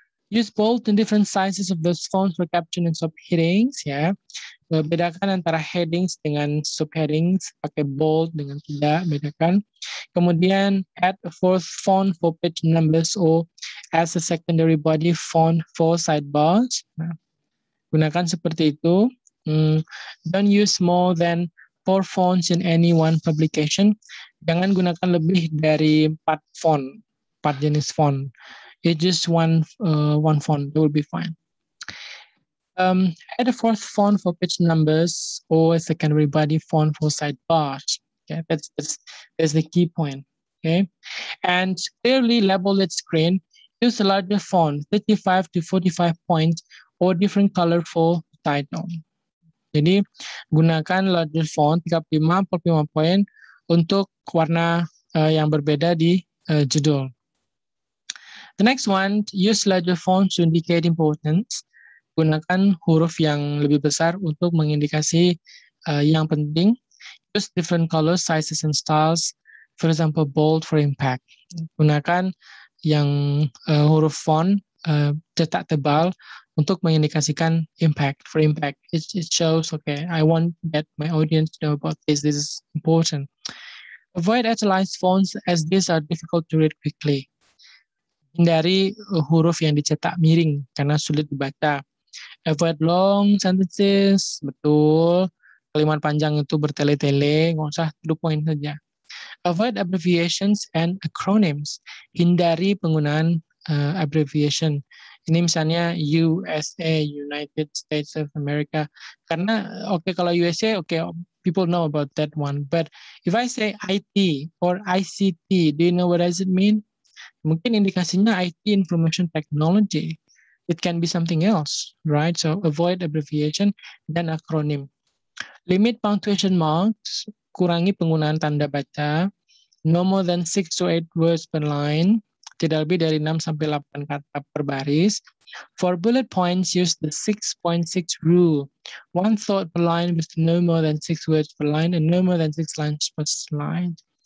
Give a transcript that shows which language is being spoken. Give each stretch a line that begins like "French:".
English: Use bold and different sizes of those fonts for caption and subheadings.
Indonesian: Ya, yeah. Bedakan antara headings dengan subheadings. Pakai bold dengan tidak, bedakan. Kemudian
English: add a fourth font for page numbers or as a secondary body font for sidebars.
Indonesian: Nah, gunakan seperti itu.
English: Don't use more than 4 fonts in any one publication.
Indonesian: Jangan gunakan lebih dari 4 font, 4 jenis font.
English: It's just one font, that will be fine. Add a fourth font for page numbers or a secondary body font for sidebars. Okay, that's the key point. Okay, and clearly label the screen. Use a larger font, 35 to 45 points or different color for title.
Indonesian: Jadi gunakan
English: larger font
Indonesian: 35 atau 45 point untuk warna yang berbeda di judul.
English: The next one, use larger font to indicate importance.
Indonesian: Gunakan huruf yang lebih besar untuk mengindikasi yang penting.
English: Use different colors, sizes, and styles. For example, bold for impact.
Indonesian: Gunakan yang huruf font cetak tebal untuk mengindikasikan impact,
English: for impact. It shows, okay, I want that my audience know about this. This is important. Avoid italicized fonts as these are difficult to read quickly.
Indonesian: Hindari huruf yang dicetak miring karena sulit dibaca.
English: Avoid long sentences,
Indonesian: betul. Kalimat panjang itu bertele-tele, nggak usah,
English: to the point
Indonesian: saja.
English: Avoid abbreviations and acronyms.
Indonesian: Hindari penggunaan abbreviation. Ini misalnya USA, United States of America. Karena,
English: okay,
Indonesian: kalau
English: USA, okay, people know about that one. But if I say IT or ICT, do you know what does it mean?
Indonesian: Mungkin indikasinya
English: IT, information technology. It can be something else, right? So avoid abbreviation dan acronym. Limit punctuation marks,
Indonesian: kurangi penggunaan tanda baca.
English: No more than 6 to 8 words per line.
Indonesian: Tidak lebih dari 6-8 kata per baris.
English: For bullet points, use the 6.6 rule. One thought per line with no more than 6 words per line and no more than 6 lines per slide.